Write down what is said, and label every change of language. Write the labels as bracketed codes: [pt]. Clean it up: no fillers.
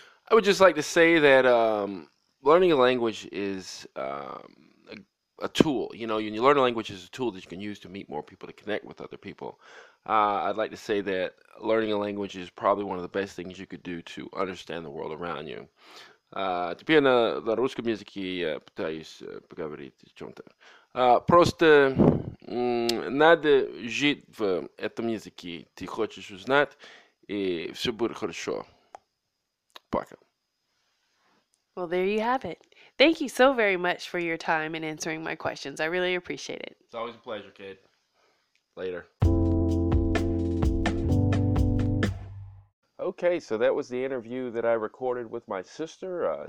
[en] I would just like to say that learning a language is a tool. You know, when you learn a language, it's a tool that you can use to meet more people, to connect with other people. I'd like to say that learning a language is probably one of the best things you could do to understand the world around you. [ru] Теперь на русском языке я пытаюсь поговорить о чем-то. Просто надо жить в этом языке. Ты хочешь узнать, и все будет хорошо. Пока. [en] Well, there you have it. Thank you so very much for your time and answering my questions. I really appreciate it. It's always a pleasure, kid. Later. Okay, so that was the interview that I recorded with my sister.